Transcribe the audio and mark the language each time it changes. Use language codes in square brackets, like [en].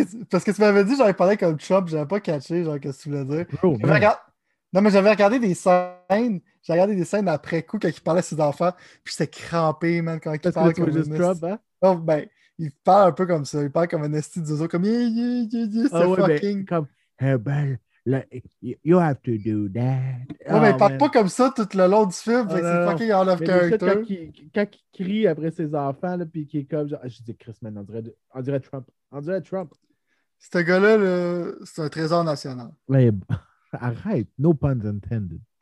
[fr] Parce que tu m'avais dit, j'avais parlé comme Trump, j'avais pas catché, genre, qu'est-ce que tu voulais dire. Non, mais j'avais regardé des scènes. J'ai regardé des scènes après coup quand il parlait à ses enfants. Puis j'étais crampé, man, quand il parle comme un Trump, hein? Non, ben, il parle un peu comme ça. Il parle comme un esti de zozo, comme c'est ouais, fucking. Mais, comme, hey, ben, [en] you have to do that. [fr] Non, mais il parle pas comme ça tout le long du film. Fait, c'est fucking [en] out of character. [fr] Quand il crie après ses enfants, là, puis qu'il est comme. Genre, je dis Chris, man, on dirait Trump. Ce gars-là, là, c'est un trésor national. Mais. Arrête, [en] no pun intended.